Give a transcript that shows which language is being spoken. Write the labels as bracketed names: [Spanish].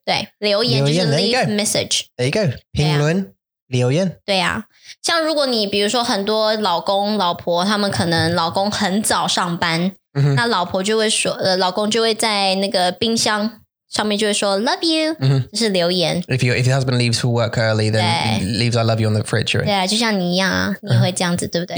[Chinese] 对，留言就是 [English] leave message， there you go， [Chinese] 评论，留言，对啊，像如果你比如说很多老公老婆，他们可能老公很早上班，那老婆就会说，老公就会在那个冰箱上面就会说 [English] love you， [Chinese] 就是留言。 [English] If your husband leaves for work early, then leaves I love you on the fridge. Right? [Chinese] 对啊，就像你一样啊，你会这样子，对不对